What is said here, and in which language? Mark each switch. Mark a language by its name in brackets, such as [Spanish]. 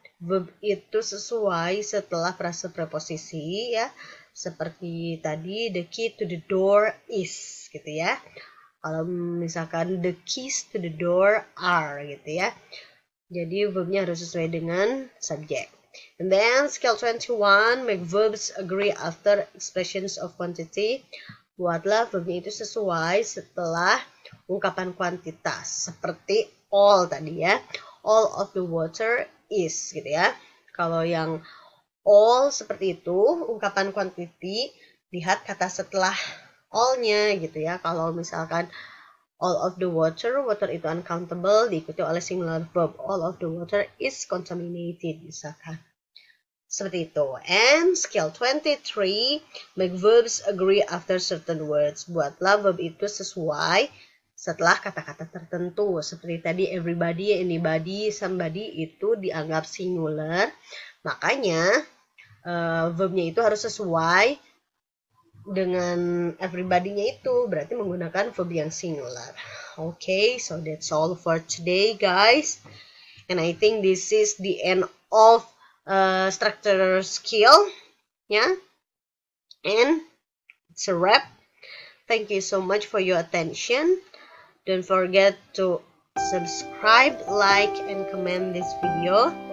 [Indonesian] Verb itu sesuai setelah frase preposisi ya. Seperti tadi, [English] the key to the door is [Indonesian] gitu ya. Kalau misalkan [English] the keys to the door are [Indonesian] gitu ya. Jadi verbnya harus sesuai dengan subject. [English] And then scale 21, make verbs agree after expressions of quantity. [Indonesian] Buatlah verbnya itu sesuai setelah ungkapan kuantitas. Seperti all tadi ya. [English] All of the water is [Indonesian] gitu ya. Kalau yang all seperti itu, ungkapan quantity, lihat kata setelah all-nya gitu ya. Kalau misalkan [English] all of the water, [Indonesian] water itu uncountable, diikuti oleh singular verb. [English] All of the water is contaminated, [Indonesian] misalkan. Seperti itu. [English] And scale 23, make verbs agree after certain words. [Indonesian] Buatlah verb itu sesuai setelah kata-kata tertentu. Seperti tadi, everybody, anybody, somebody itu dianggap singular. Makanya, verbnya itu harus sesuai dengan everybody-nya itu, berarti menggunakan verb yang singular. [English] Okay, so that's all for today, guys. And I think this is the end of structure skill. Yeah. And it's a wrap. Thank you so much for your attention. Don't forget to subscribe, like, and comment this video.